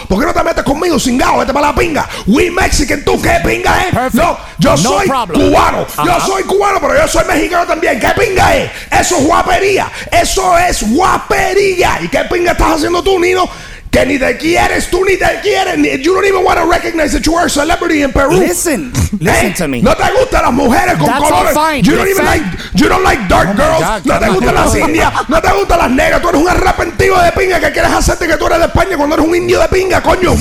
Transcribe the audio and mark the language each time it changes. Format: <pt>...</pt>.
<es>¿Por qué no te metes conmigo, cingado? Vete para la pinga.</es> <en>We Mexican,</en> <es>¿tú qué pinga es? No, yo soy cubano. Yo soy cubano, pero yo soy mexicano también. ¿Qué pinga es? Eso es guapería. Eso es guapería. ¿Y qué pinga estás haciendo tú, Nino? Que ni te quieres, tú ni te quieres.</es> <en>You don't even want to recognize that you are a celebrity in Peru. Listen to me.</en> <es>No te gustan las mujeres con</es> <en>That's</en> <es>colores.</es> <en>All fine. You don't even like, you don't like dark girls.</en> <es>God, no te gustan las indias. No te gustan las negras. Tú eres un arrepentido de pinga que quieres hacerte que tú eres de España cuando eres un indio de pinga, coño.</es>